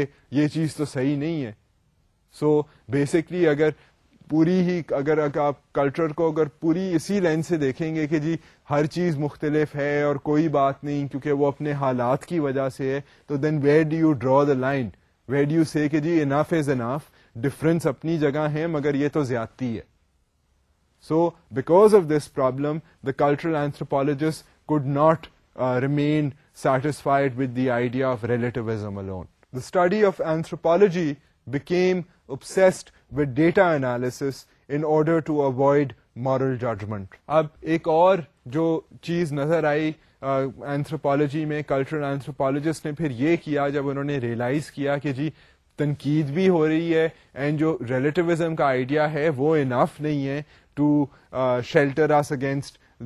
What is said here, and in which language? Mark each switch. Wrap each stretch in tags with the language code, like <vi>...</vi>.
<ur>یہ چیز تو صحیح نہیں ہے سو بیسکلی اگر پوری ہی اگر آپ کلچر کو اگر پوری اسی لینس سے دیکھیں گے کہ جی ہر چیز مختلف ہے اور کوئی بات نہیں کیونکہ وہ اپنے حالات کی وجہ سے ہے تو</ur> <en>then where do you draw the line Where do you say</en> <ur>کہ جی</ur> <en>enough is enough,</en> <ur>difference اپنی جگہ ہے مگر یہ تو زیادتی ہے</ur> <en>So, because of this problem, the cultural anthropologists could not remain satisfied with the idea of relativism alone. The study of anthropology became obsessed with data analysis in order to avoid moral judgment.</en> <ur>اب ایک اور جو چیز نظر آئی anthropology میں cultural anthropologist نے پھر یہ کیا جب انہوں نے ریئلائز کیا کہ جی تنقید بھی ہو رہی ہے اینڈ جو ریلیٹیوزم کا آئیڈیا ہے وہ انف نہیں ہے</ur> <en>to shelter us against</en>